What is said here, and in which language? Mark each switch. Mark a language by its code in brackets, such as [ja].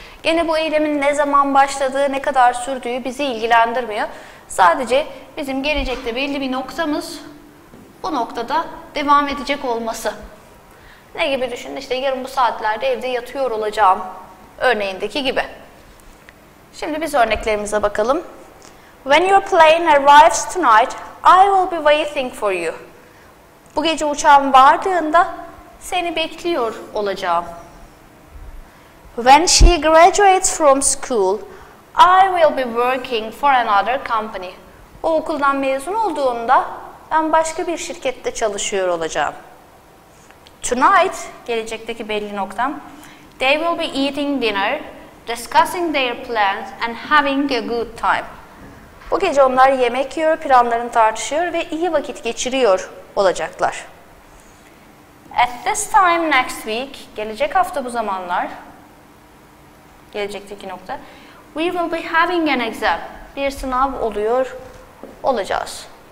[tr] Gene bu eylemin ne zaman başladığı, ne kadar sürdüğü bizi ilgilendirmiyor. Sadece bizim gelecekte belli bir noktamız, bu noktada devam edecek olması. Ne gibi düşünün? İşte yarın bu saatlerde evde yatıyor olacağım örneğindeki gibi. Şimdi biz örneklerimize bakalım. [en] When your plane arrives tonight, I will be waiting for you. [tr] Bu gece uçağım vardığında seni bekliyor olacağım. [en] When she graduates from school, I will be working for another company. [tr] O okuldan mezun olduğunda ben başka bir şirkette çalışıyor olacağım. [en] Tonight, [tr] gelecekteki belli noktam, [en] they will be eating dinner, discussing their plans and having a good time. [tr] Bu gece onlar yemek yiyor, planlarını tartışıyor ve iyi vakit geçiriyor olacaklar. [en] At this time next week, [tr] gelecek hafta bu zamanlar, gelecekteki nokta, [en] we will be having an exam, [tr] bir sınav oluyor olacağız.